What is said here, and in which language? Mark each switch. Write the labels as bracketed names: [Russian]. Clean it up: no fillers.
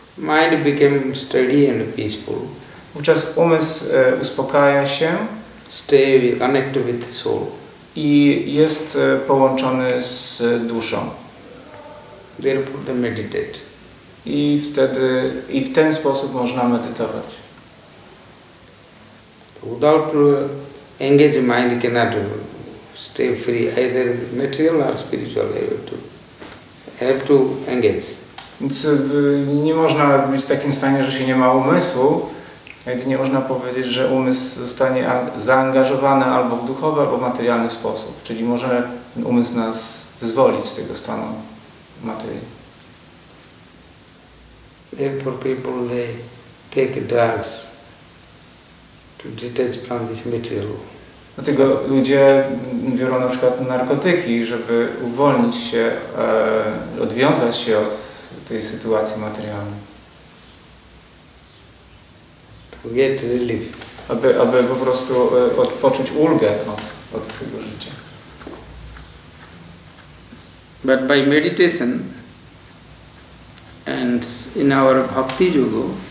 [English] Mind became steady and peaceful. [Polish] Wówczas umysł uspokaja się. [English] Stay connected with soul. [Polish] I jest połączony z duszą. [English] Therefore they meditate. [Polish] I wtedy, i w ten sposób można medytować. [English] Without engaged mind cannot stay free, either material or spiritual. Have to engage. [Polish] Więc nie można być w takim stanie, że się nie ma umysłu. Jedynie można powiedzieć, że umysł zostanie zaangażowany albo w duchowy, albo w materialny sposób. Czyli może umysł nas wyzwolić z tego stanu materii. [English] Therefore people, they take drugs to detach from this material. [Polish] Dlatego ludzie biorą na przykład narkotyki, żeby uwolnić się, odwiązać się od tej sytuacji materialnej. [English] To get relief. [Polish] Aby po prostu odpocząć ulgę od tego życia. [English] But by meditation, and in our bhakti yoga.